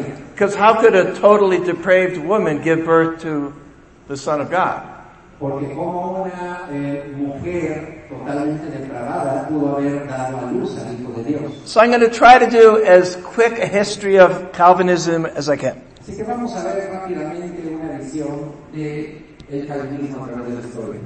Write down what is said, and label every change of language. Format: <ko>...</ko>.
<en>Because how could a totally depraved woman give birth to the Son of God?</en> <es>Porque como una mujer totalmente depravada pudo haber dado a luz al Hijo de Dios.</es> <en>So I'm going to try to do as quick a history of Calvinism as I can.</en> <es>Así que vamos a ver rápidamente una visión del Calvinismo a través de la historia.</es>